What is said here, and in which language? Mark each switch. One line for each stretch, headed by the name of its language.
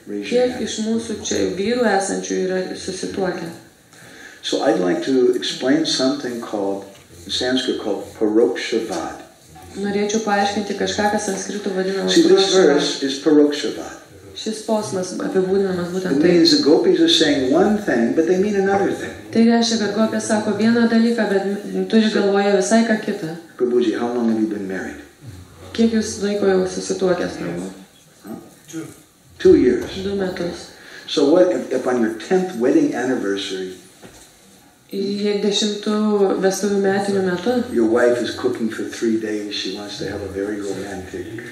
Lithuanian: Kiek iš mūsų čia vyrų esančių yra susituokę?
English: So I'd like to explain something called, in Sanskrit, called Parokshavad.
Lithuanian: Norėčiau paaiškinti kažką, kas sanskritų vadinamas.
English: See, this verse is Parokshavad.
Lithuanian: Šis posmas apibūdinamas būtent taip.
English: It means the gopis are saying one thing, but they mean another thing.
Lithuanian: Tai reiškia, kad gopis sako vieną dalyką, bet turi galvoje visai ką kitą.
English: Prabhuji, how long have you been married?
Lithuanian: Kiek jūs laiko jau susituokęs namo?
English: Two. 2 years.
Lithuanian: 2 metus.
English: So what if on your 10th wedding anniversary, your wife is cooking for 3 days, she wants to have a very romantic.